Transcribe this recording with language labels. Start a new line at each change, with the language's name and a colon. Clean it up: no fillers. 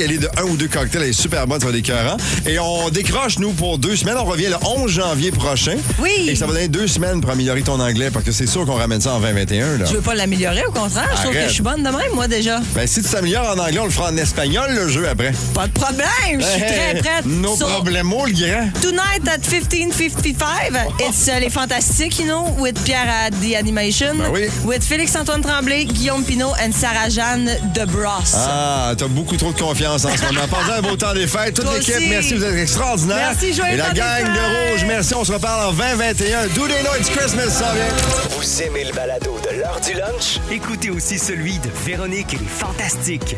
French: Elle est de un ou deux cocktails, elle est super bonne, ça va être écœurant. Et on décroche, nous, pour deux semaines. On revient le 11 janvier prochain. Oui. Et ça va donner deux semaines pour améliorer ton anglais parce que c'est sûr qu'on ramène ça en 2021. Là. Je veux pas l'améliorer, au contraire. Arrête. Je trouve que je suis bonne demain, moi, déjà. Ben, si tu t'améliores en anglais, on le fera en espagnol, le jeu, après. Pas de problème. Très prête. Nos problèmes, le grand.
English: Tonight at 15:55, it's Les Fantastiques, you know, with Pierre at The Animation.
French: Ben oui.
English: With Félix-Antoine Tremblay, Guillaume Pinault and Sarah-Jeanne DeBrosse.
French: Ah, t'as beaucoup trop de confiance en ce moment. Passez un beau temps des fêtes. Toute toi l'équipe, aussi. Merci, vous êtes extraordinaire. Merci, joyeux et la gang de Rouge, merci. On se reparle en 2021.
English: Do they know it's Christmas,
French: ça vient. Vous aimez le balado de l'heure du lunch? Écoutez aussi celui de Véronique et les Fantastiques.